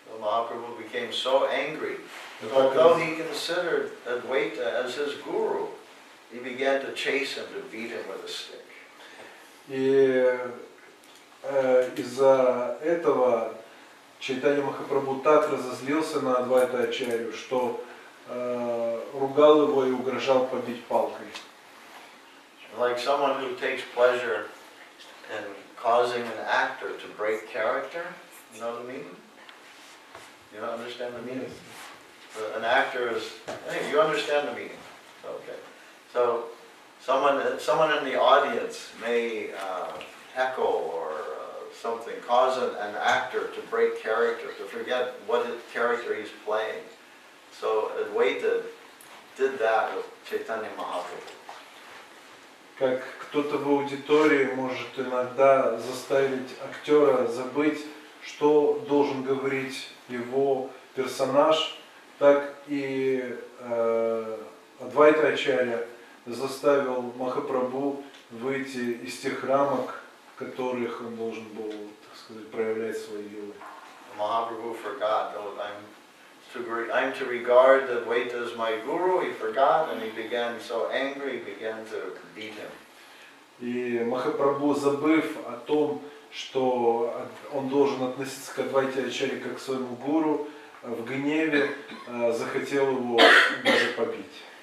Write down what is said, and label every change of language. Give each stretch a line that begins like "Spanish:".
English: Махапрабху became so angry, although he considered Адвайта as his guru, he began to chase him, to beat him with a stick.
Russian: И из-за этого Чайтанья Махапрабху так разозлился на Адвайта Ачарью, что ругал его и угрожал побить палкой.
English: Like someone who takes pleasure in causing an actor to break character, you know the meaning? You don't understand the meaning? An actor is... Hey, you understand the meaning. Okay. So, Someone in the audience may heckle or something, cause an actor to break character, to forget what character he's playing. So Advaita did that with Chaitanya Mahaprabhu.
Russian: Как кто-то в аудитории может иногда заставить актера забыть, что должен говорить его персонаж, так и Адвайта Ачарья заставил Махапрабху выйти из тех рамок, в которых он должен был сказать, проявлять свои юлы.
English: Mahaprabhu forgot that I'm to regard the Vaita as my guru. He forgot, and he began so angry, he began to beat him.
Russian: И Махапрабху, забыв о том, что он должен относиться к Адвайте Ачарье как к своему гуру, в гневе захотел его даже побить.